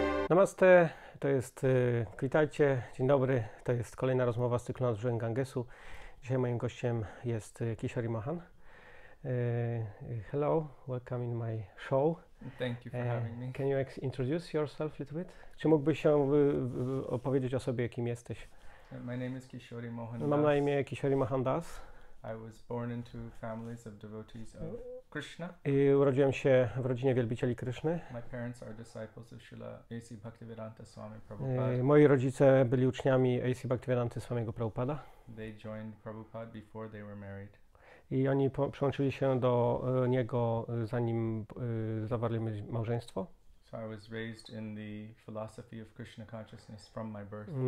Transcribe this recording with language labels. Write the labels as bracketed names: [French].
[Polish] Namaste, to jest Kwitajcie. Dzień dobry, to jest kolejna rozmowa z cyklu Nadbrzeżem Gangesu. Dzisiaj moim gościem jest Kishori Mohan. [English] Hello, welcome in my show. Thank you for having me. Can you introduce yourself a little bit? [Polish] Czy mógłbyś się opowiedzieć o sobie, kim jesteś? [English] My name is Kishori Mohandas. [Polish] Mam na imię Kishori Mohandas. [English] I was born into families of devotees of Krishna. [Polish] I urodziłem się w rodzinie wielbicieli Kryszny. [English] My parents are disciples of Srila A.C. Bhaktivedanta Swami Prabhupada. [Polish] Moi rodzice byli uczniami A.C. Bhaktivedanta Swamiego Prabhupada. [English] They joined Prabhupada before they were married. [Polish] I oni przyłączyli się do niego, zanim zawarli małżeństwo. [English] So I was raised in the philosophy of Krishna consciousness from my birth.